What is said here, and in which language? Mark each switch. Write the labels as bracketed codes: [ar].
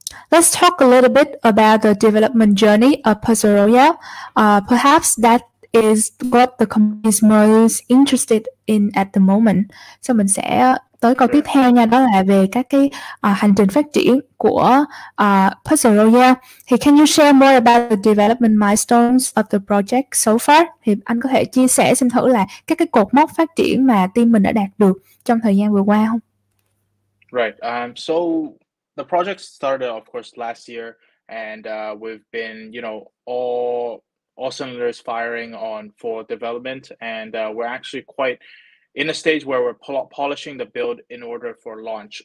[en] Let's talk a little bit about the development journey of Puzzle Royale. Perhaps that is what the company is most interested in at the moment. [vi] So mình sẽ tới câu tiếp theo nha, đó là về các cái hành trình phát triển của Puzzle Royale. [en] Thì can you share more about the development milestones of the project so far? [vi] Thì anh có thể chia sẻ xem thử là các cái cột mốc phát triển mà team mình đã đạt được trong thời gian vừa qua không? [en] Right. So the project started, of course, last year, and we've been, you know, all cylinders firing on for development, and we're actually quite in a stage where we're polishing the build in order for launch.